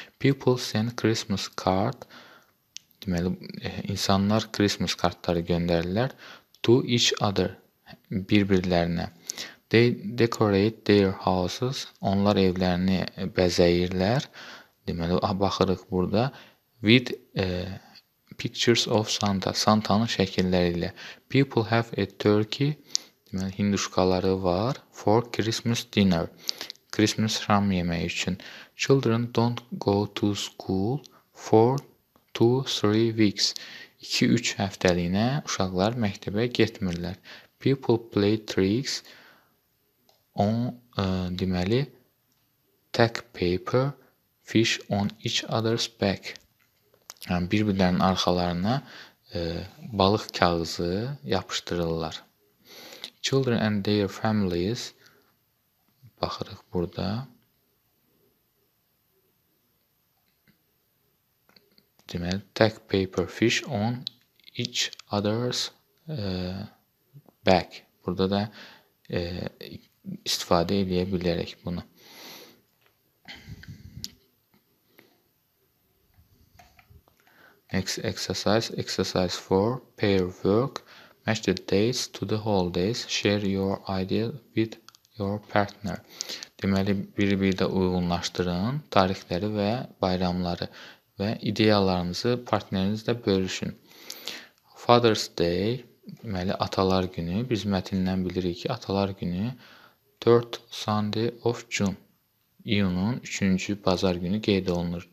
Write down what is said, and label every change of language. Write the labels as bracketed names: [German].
[English] People send Christmas card. [Azerbaijani] Deməli, insanlar Christmas kartları göndərirlər. [English] To each other. [Azerbaijani] Bir-birilərinə. [English] They decorate their houses. [Azerbaijani] Onlar evlərini bəzəyirlər. Deməli, baxırıq burada. [English] With pictures of Santa, [Azerbaijani] Santa'nın şəkilləri ilə. [English] People have a turkey, [Azerbaijani] deməli hinduşkaları var, [English] for Christmas dinner, [Azerbaijani] Christmas şam yeməyi üçün. [English] Children don't go to school for 2-3 weeks. [Azerbaijani] 2-3 həftəliyinə uşaqlar məktəbə getmirlər. [English] People play tricks on, [Azerbaijani] deməli, [English] tack paper, fish on each other's back. [Azerbaijani] Yəni, bir-birlərinin arxalarına balıq kağızı yapışdırırlar. [English] Children and their families, [Azerbaijani] baxırıq burada. Deməli, [English] tack paper fish on each other's back. [Azerbaijani] Burada da istifadə edə bilərik bunu. [English] Next exercise, exercise 4, pair work, match the dates to the holidays, share your idea with your partner. [Azerbaijani] Deməli, bir-birinə uyğunlaşdırın tarixləri və bayramları və ideyalarınızı partnerinizlə bölüşün. Father's Day, deməli, atalar günü, biz mətindən bilirik ki, atalar günü [English] 3rd Sunday of June, [Azerbaijani] iyunun 3-cü bazar günü qeyd olunur.